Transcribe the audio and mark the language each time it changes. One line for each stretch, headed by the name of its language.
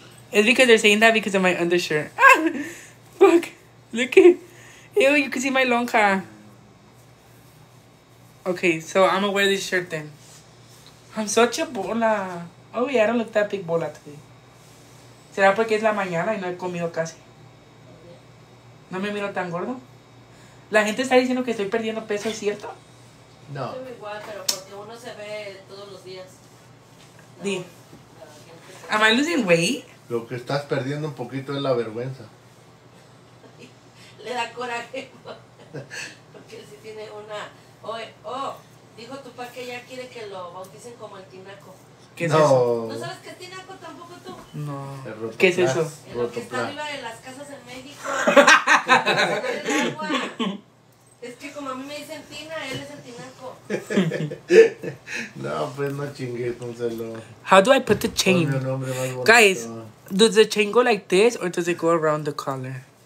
English: It's because they're saying that because of my undershirt. Ah, fuck. Look at... Ew, you can see my lonja. Okay, so I'm gonna wear this shirt then. I'm such a bola. Oh, yeah, I don't look that big bola today.
Spanish: ¿Será porque es la mañana y no he comido casi? ¿No me miro tan gordo? La gente está diciendo que estoy perdiendo peso, ¿es cierto? No. Estoy igual, pero porque uno se ve todos los días.
English: Dí. ¿Am I losing weight?
Spanish: Lo que estás perdiendo un poquito es la vergüenza. Le da coraje. Porque si tiene una... dijo tu papá que ya quiere que lo bauticen como el tinaco. ¿Qué es eso? ¿No sabes qué tinaco tampoco tú? No. ¿Qué es eso? El lo que está arriba de las casas en México. Es que como a mí me dicen tina, él es el tinaco. No, pues no chingues, pónselo.
English: How do I put the chain? Guys, does the chain go like this or does it go around the collar?